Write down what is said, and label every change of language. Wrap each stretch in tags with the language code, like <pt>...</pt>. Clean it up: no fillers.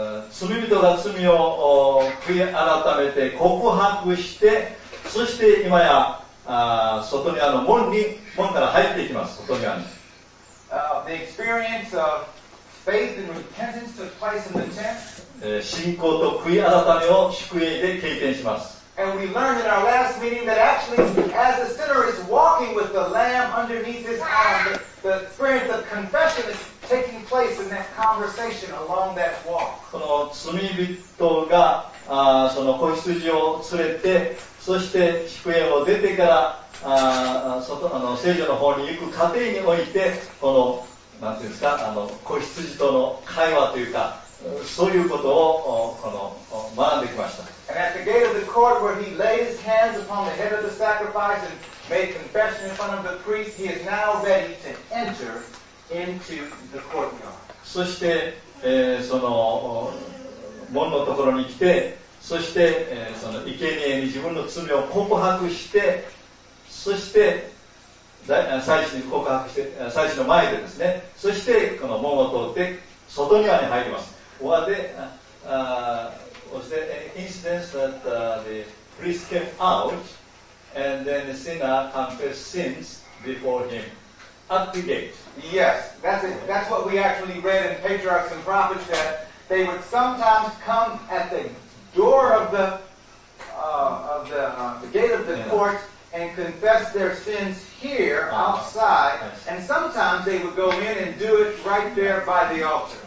<ja>罪人が罪を悔い改めて告白して、そして今や外にある門から入っていきます。外にある。</ja> <en>The experience of faith and repentance took place in the tent.</en> <ja>信仰と悔い改めを宿営で経験します。</ja> <en>And we learned in our last meeting that actually, as the sinner is walking with the Lamb underneath his arm, the experience of confession is taking place in that conversation along that walk.</en> <ja>この罪人がその子羊を連れて、そして宿営を出てから聖所の方に行く過程において、このなんていうんですか、子羊との会話というか、そういうことをこの学んできました。</ja> <en>And at the gate of the court where he laid his hands upon the head of the sacrifice and made confession in front of the priest, he is now ready to enter into the courtyard.</en> <ja>そして、その門のところに来て、そして、その生贄に自分の罪を告白して、そして祭司に告白して、祭司の前でですね、そしてこの門を通って外庭に入ります。</ja> <en>Was there an incident that the priest came out and then the sinner confessed sins before him at the gate? Yes, that's what we actually read in Patriarchs and Prophets, that they would sometimes come at the door of the gate of the court and confess their sins here outside, and sometimes they would go in and do it right there by the altar.</en>